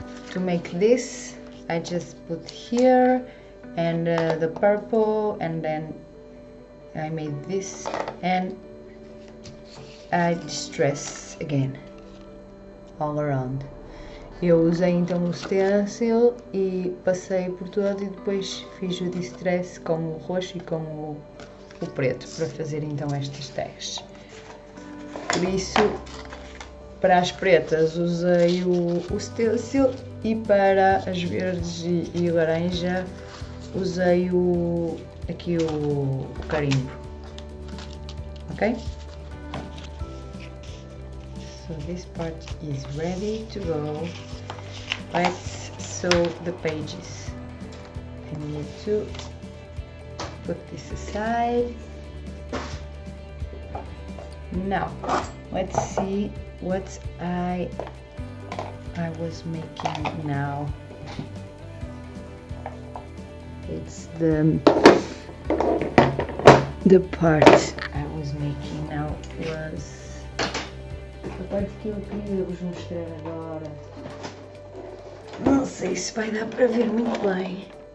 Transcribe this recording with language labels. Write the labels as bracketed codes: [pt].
[en] To make this, I just put here and the purple, and then I made this and I distress again all around. [pt] Eu usei então o stencil e passei por todo e depois fiz o distress com o roxo e com o preto para fazer então estas tags. Por isso, para as pretas usei o stencil e para as verdes e laranja usei aqui o carimbo. [en] Ok? So this part is ready to go. Let's sew the pages. I need to put this aside. Now, let's see what I was making now. It's the part I was making now was [pt] a parte que eu queria vos mostrar agora. Não sei se vai dar para ver muito bem.